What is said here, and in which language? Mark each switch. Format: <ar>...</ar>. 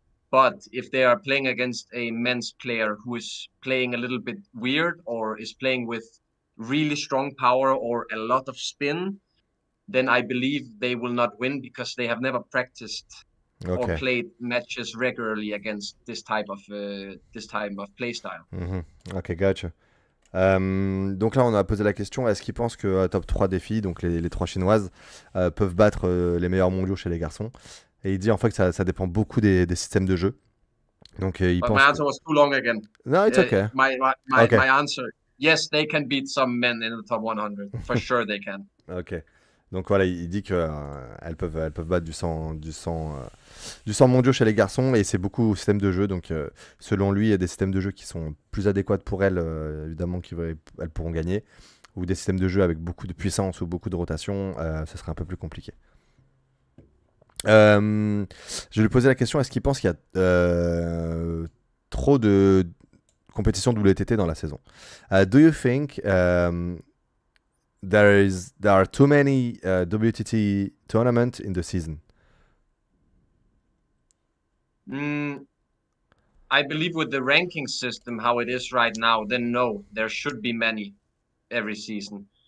<en>But if they are playing against a men's player who is playing a little bit weird or is playing with really strong power or a lot of spin, then I believe they will not win because they have never practiced or Okay. played matches regularly against this type of play style. Okay, gotcha.</en> <fr>Donc là, on a posé la question, est-ce qu'il pense que top 3 des filles, donc les trois chinoises, peuvent battre les meilleurs mondiaux chez les garçons? Et il dit en fait que ça dépend beaucoup des systèmes de jeu. Donc il</fr> <en>But my</en> <fr>pense que...</fr> <en>answer was too long again.</en> <fr>Non,</fr> <en>it's My answer, yes, they can beat some men in the top 100. For sure they can. Ok.</en> <fr>Donc voilà, il dit que elles peuvent battre du sang mondial chez les garçons, et c'est beaucoup au système de jeu. Donc selon lui, il y a des systèmes de jeu qui sont plus adéquats pour elles, évidemment, qu'elles pourront gagner, ou des systèmes de jeu avec beaucoup de puissance ou beaucoup de rotation, ce serait un peu plus compliqué. Je lui posais la question, est-ce qu'il pense qu'il y a trop de compétition WTT dans la saison?</fr> <en>Do you think there are too many WTT tournaments in the season? I believe with the ranking system how it is right now, then no, there should be many every season.</en>